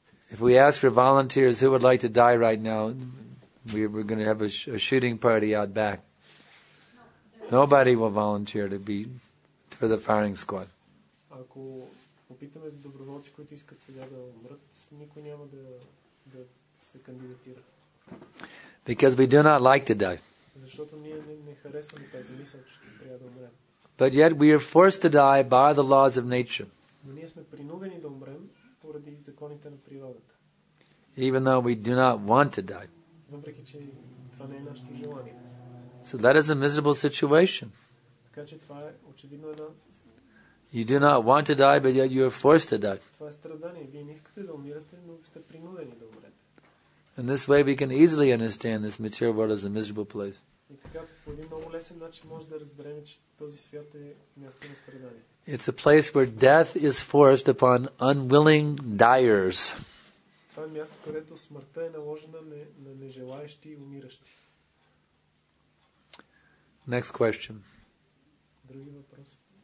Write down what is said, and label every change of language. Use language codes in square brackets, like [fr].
[en] If we ask for volunteers who would like to die right now, we're going to have a shooting party out back. Nobody will volunteer to be for the firing squad. [bg] Ако попитаме за доброволци, които искат сега да умрат, никой няма да се кандидатира. [en] Because we do not like to die. [bg] Защото ние не харесваме тази мисъл, че ще трябва да умрем. [en] But yet we are forced to die by the laws of nature. [bg] Но ние сме принудени да умрем поради законите на природата. [en] Even though we do not want to die. [bg] Въпреки че това не е нашето желание. [en] So that is a miserable situation. [bg] Така че това е очевидно една. [en] You do not want to die, but yet you are forced to die. [bg] Това е страдание. Вие не искате да умирате, но сте принудени да умрете. [en] In this way, we can easily understand this material world as a miserable place. [bg] И така, по един много лесен начин може да разберем, че този свят е място на страдание. [en] It's a place where death is forced upon unwilling dyers. [bg] Това е място, където смъртта е наложена на нежелаещи и умиращи. [en] Next question. [bg] Други въпрос.